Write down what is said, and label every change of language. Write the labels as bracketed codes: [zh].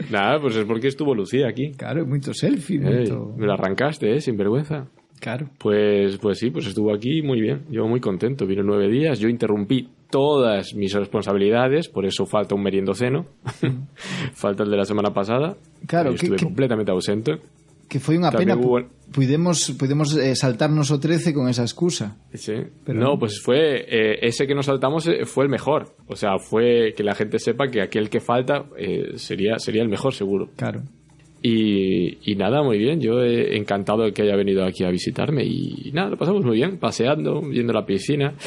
[es] Nada, pues es porque estuvo Lucía aquí. Claro, mucho selfie. Me lo arrancaste, sin vergüenza. Claro. Pues sí, pues estuvo aquí muy bien. Yo muy contento. Vino 9 días. Yo interrumpí todas mis responsabilidades. Por eso falta un Merindoceno. Falta el de la semana pasada. Claro. Yo estuve completamente ausente. [gl] Que foi unha pena, podemos saltarnos o 13 con esa excusa. [es] Sí. Pero... No, pues fue ese que nos saltamos fue el mejor. O sea, fue que la gente sepa que aquel que falta sería el mejor, seguro. Claro. Y nada, muy bien. Yo encantado de que haya venido aquí a visitarme. Y nada, lo pasamos muy bien, paseando, viendo la piscina.